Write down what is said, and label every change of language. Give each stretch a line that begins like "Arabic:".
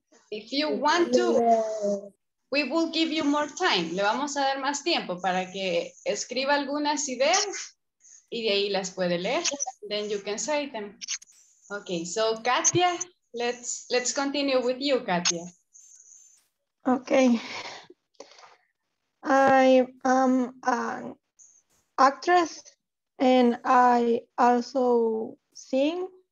English: If you want to, we will give you more time.
Spanish: Le vamos a dar más tiempo para que escriba algunas ideas y de ahí las puede leer.
English: Then you can say them. Okay, so Katia, let's continue with you, Katia. Okay, I am an actress and I also sing.